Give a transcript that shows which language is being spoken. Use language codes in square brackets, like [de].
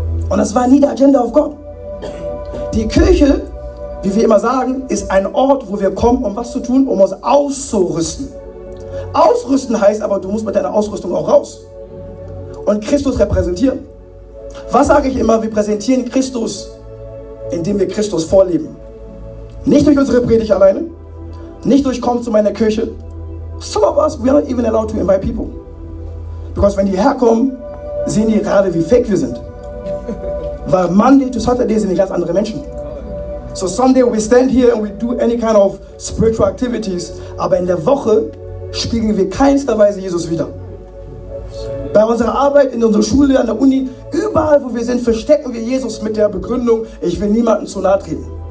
[de] Und das war nie die Agenda [en] of God. [de] Die Kirche, wie wir immer sagen, ist ein Ort, wo wir kommen, um was zu tun? Um uns auszurüsten. Ausrüsten heißt aber, du musst mit deiner Ausrüstung auch raus. Und Christus repräsentieren. Was sage ich immer? Wir präsentieren Christus, indem wir Christus vorleben. Nicht durch unsere Predigt alleine. Nicht durch komm zu meiner Kirche. [en] Some of us, we are not even allowed to invite people. [de] Because wenn die herkommen, sehen die gerade, wie fake wir sind. Weil [en] Monday to Saturday [de] sind die ganz andere Menschen. [en] So Sunday we stand here and we do any kind of spiritual activities. [de] Aber in der Woche spiegeln wir keinsterweise Jesus wieder. Bei unserer Arbeit, in unserer Schule, an der Uni, überall wo wir sind, verstecken wir Jesus mit der Begründung, ich will niemandem zu nahe treten.